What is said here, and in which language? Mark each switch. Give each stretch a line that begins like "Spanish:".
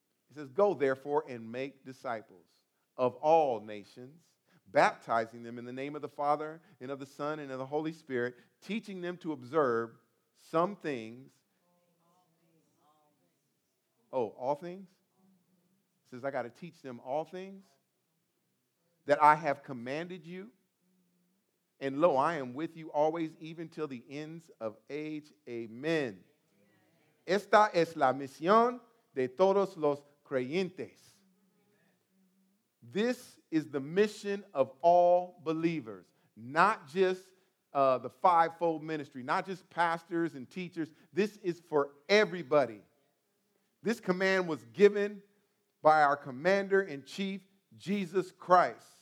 English: It says, go, therefore, and make disciples of all nations, baptizing them in the name of the Father and of the Son and of the Holy Spirit, teaching them to observe some things. Oh, all things? It says, I got to teach them all things that I have commanded you. And lo, I am with you always, even till the ends of age. Amen.
Spanish: Esta es la misión de todos los creyentes.
English: This is the mission of all believers. not just the fivefold ministry, not just pastors and teachers. This is for everybody. This command was given by our commander in chief, Jesus Christ.